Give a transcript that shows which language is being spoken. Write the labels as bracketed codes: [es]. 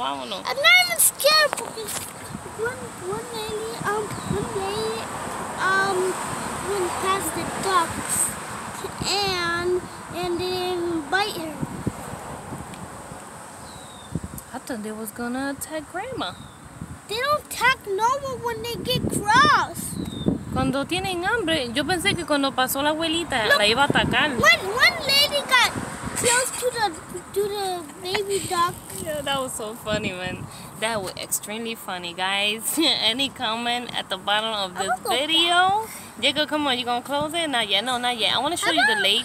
[en] I'm not even scared because one lady went past the ducks and they didn't even bite her. They was gonna attack Grandma. They don't attack no one when they get cross. [es] Cuando tienen hambre, yo pensé que cuando pasó la abuelita, [en] look, [es] la iba a atacar. [en] One lady got close to the baby duck. Yeah, that was so funny, man. That was extremely funny, guys. Any comment at the bottom of this video? Diego, come on, you gonna close it? Not yet. No, not yet. I wanna show you the lake.